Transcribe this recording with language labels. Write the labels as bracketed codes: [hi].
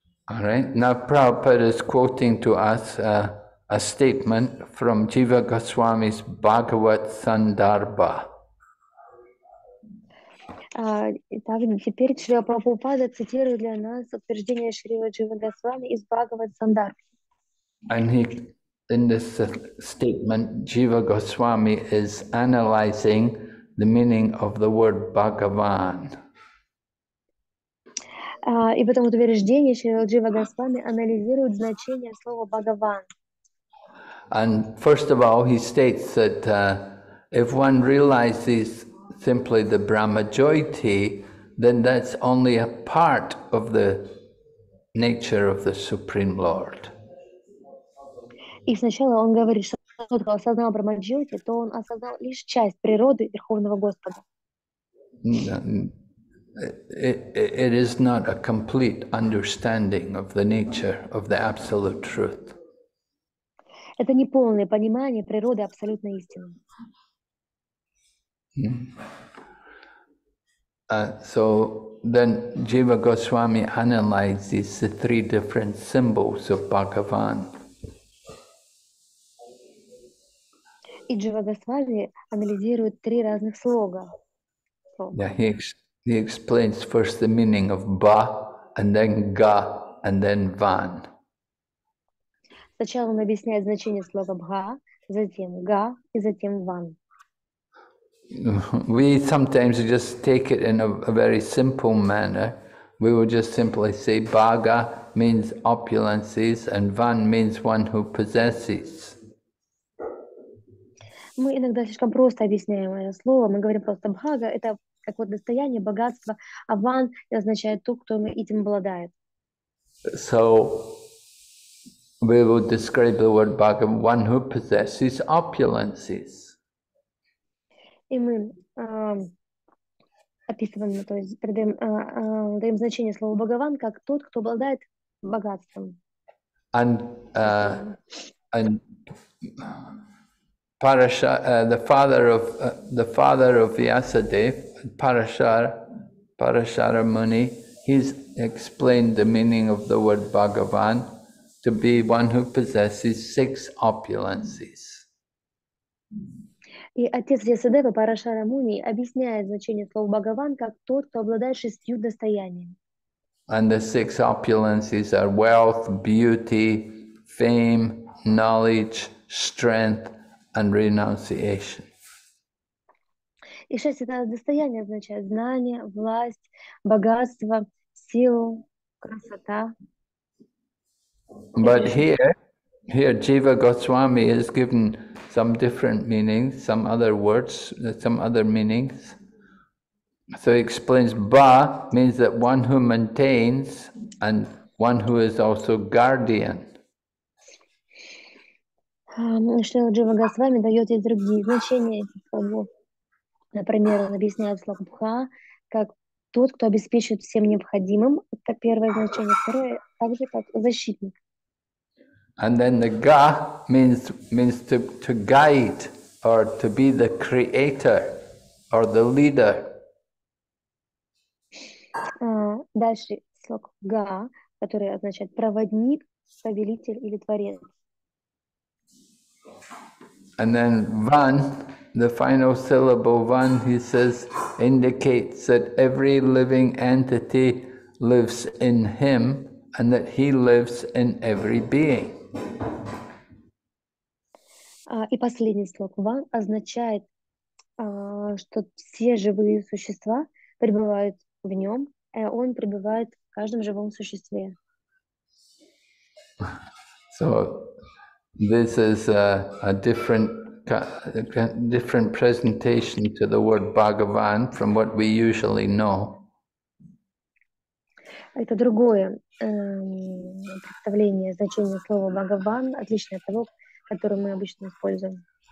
[en] All right. Now Prabhupada is quoting to us a statement from Jiva Goswami's Bhagavat Sandarbha. [ru] Итак, теперь Шрила Прабхупада цитирует для нас утверждение Шрила Джива Госвами из Бхагават Сандарбха. [en] And he, in this statement, Jiva Goswami is analyzing the meaning of the word Bhagavan. [ru] И в этом утверждении Шрила Джива Госвами анализирует значение слова Бхагаван. [en] And first of all, he states that if one realizes simply the Brahmajyoti, then that's only a part of the nature of the Supreme Lord. [ru] И сначала он говорит, что тот, кто осознал Брахмаджоти, то он осознал лишь часть природы Верховного Господа. [en] It is not a complete understanding of the nature of the Absolute Truth. [ru] Это не полное понимание природы Абсолютной Истины. [en] So then Jiva Goswami analyzes the three different symbols of Bhagavan. [ru] И Джива Госвами анализирует три разных слога. [en] Yeah, he explains first the meaning of ba, and then ga, and then van. [ru] Сначала он объясняет значение слова бха, затем га и затем ван. [en] We sometimes just take it in a very simple manner. We will just simply say bhaga means opulences and van means one who possesses. [ru] Мы иногда слишком просто объясняем это слово. Мы говорим просто бхага – это как вот достояние, богатство, а ван означает то, кто этим обладает. [en] So we will describe the word bhaga – one who possesses opulences. [ru] И мы описываем, то есть передаем, даем значение слова бхагаван как тот, кто обладает богатством. [en] And Parashar, the father of Vyasadeva, Parashara Muni, he's explained the meaning of the word Bhagavan to be one who possesses six opulences. [ru] И отец Вьясадева Парашара Муни объясняет значение слова Бхагаван как тот, кто обладает шестью достояниями. [en] And the six opulences are wealth, beauty, fame, knowledge, strength. And renunciation. [ru] И шесть это достояние означает знание, власть, богатство, силу, красота. [en] But here Jiva Goswami is given some different meanings, some other words, some other meanings. So he explains ba means that one who maintains and one who is also guardian. [ru] Шрила Джива Госвами дает и другие значения этих слов. Например, он объясняет слово бха как тот, кто обеспечивает всем необходимым. Это первое значение. Второе, также как защитник. [en] And then the ga means to guide or to be the creator or the leader. [ru] Дальше слово ga, который означает проводник, повелитель или творец. [en] And then van, the final syllable van, he says, indicates that every living entity lives in him and that he lives in every being. [ru] И последний слог van означает, что все живые существа пребывают в нем, и он пребывает в каждом живом существе. [en] So this is a different presentation to the word Bhagavan from what we usually know. [ru] Это другое представление значения слова Бхагаван, отличное от того, которое мы обычно используем.